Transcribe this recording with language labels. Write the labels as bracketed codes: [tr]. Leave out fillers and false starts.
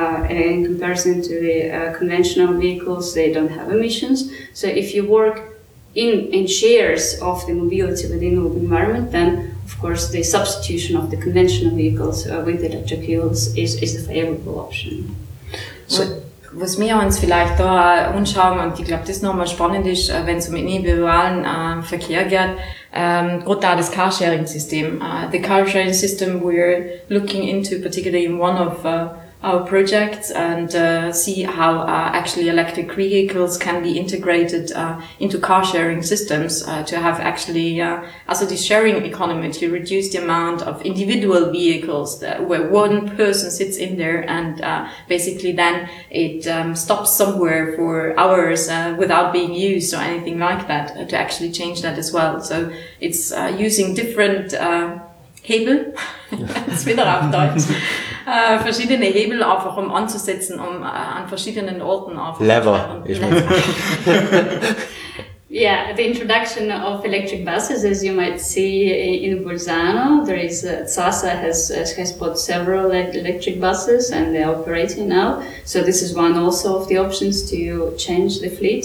[en] In comparison to the conventional vehicles, they don't have emissions. So if you work in shares of the mobility within the environment, then of course the substitution of the conventional vehicles with electric vehicles is a favorable option. [de] So was wir uns vielleicht da anschauen, und ich glaube, das nochmal spannend ist, wenn es um individualen Verkehr geht, gerade da das Carsharing-System. [en] The Carsharing-System we're looking into, particularly in one of our projects, and see how actually electric vehicles can be integrated into car sharing systems to have actually also the sharing economy to reduce the amount of individual vehicles that, where one person sits in there and basically then it stops somewhere for hours without being used or anything like that to actually change that as well. So it's using different [de] Hebel, jetzt wieder auf Deutsch, verschiedene Hebel einfach um anzusetzen, um an verschiedenen Orten auf. [en] Lever. Yeah, the introduction of electric buses, as you might see in Bolzano, there is Zasa has bought several electric buses and they're operating now. So this is one also of the options to change the fleet.